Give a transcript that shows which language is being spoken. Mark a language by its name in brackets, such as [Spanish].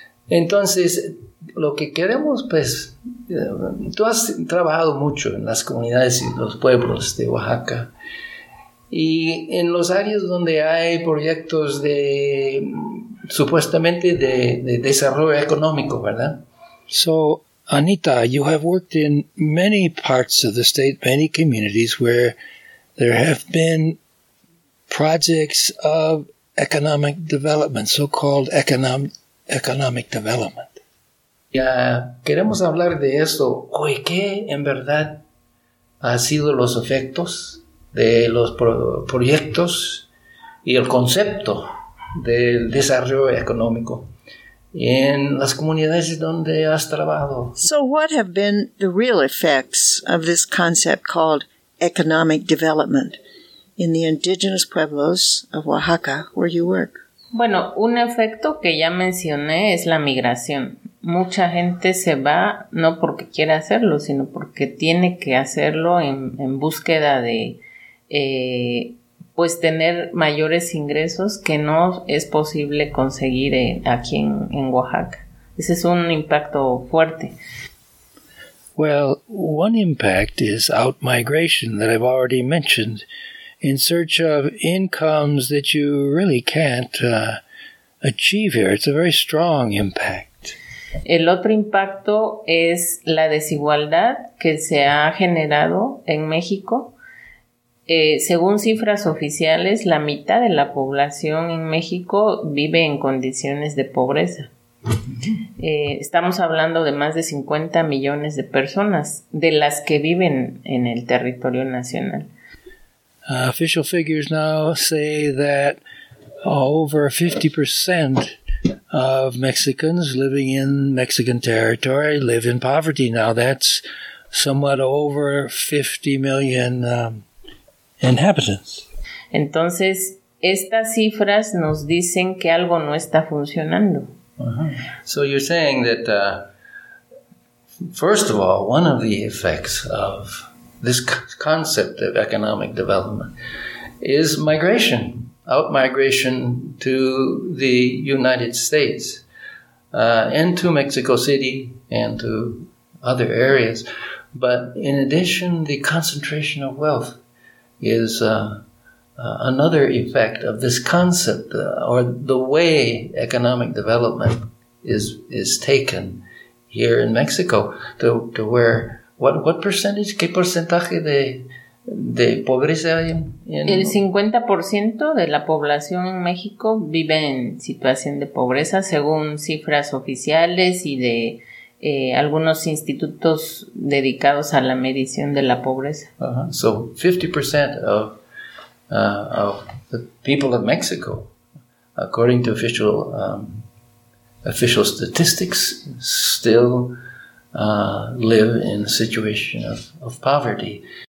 [Spanish] Entonces, lo que queremos, pues, tú has trabajado mucho en las comunidades y los pueblos de Oaxaca. Y en los áreas donde hay proyectos de, supuestamente, de desarrollo económico, ¿verdad? [English] So, Anita, you have worked in many parts of the state, many communities where there have been projects of economic development, so-called economic development. [Spanish] Queremos hablar de esto. Oye, ¿qué en verdad ha sido los efectos de los proyectos y el concepto del desarrollo económico en las comunidades donde has trabajado? [English] So what have been the real effects of this concept called economic development in the indigenous pueblos of Oaxaca, where you work? [Spanish] Bueno, un efecto que ya mencioné es la migración. Mucha gente se va no porque quiere hacerlo, sino porque tiene que hacerlo en búsqueda de pues tener mayores ingresos que no es posible conseguir aquí en Oaxaca. Ese es un impacto fuerte. [English] Well, one impact is out-migration that I've already mentioned, in search of incomes that you really can't achieve here. It's a very strong impact. [Spanish] El otro impacto es la desigualdad que se ha generado en México. Según cifras oficiales, la mitad de la población en México vive en condiciones de pobreza. Estamos hablando de más de 50 millones de personas, de las que viven en el territorio nacional. [English] Official figures now say that over 50% of Mexicans living in Mexican territory live in poverty. Now that's somewhat over 50 million inhabitants. [Spanish] Entonces, estas cifras nos dicen que algo no está funcionando. [English] So you're saying that, first of all, one of the effects of this concept of economic development is migration, out-migration to the United States and to Mexico City and to other areas. But in addition, the concentration of wealth is another effect of this concept or the way economic development is taken here in Mexico to where... What percentage? [Spanish] ¿Qué porcentaje de pobreza hay en El 50% de la población en México vive en situación de pobreza, según cifras oficiales y de algunos institutos dedicados a la medición de la pobreza. [English] So 50% of the people of Mexico, according to official statistics, still live in a situation of poverty.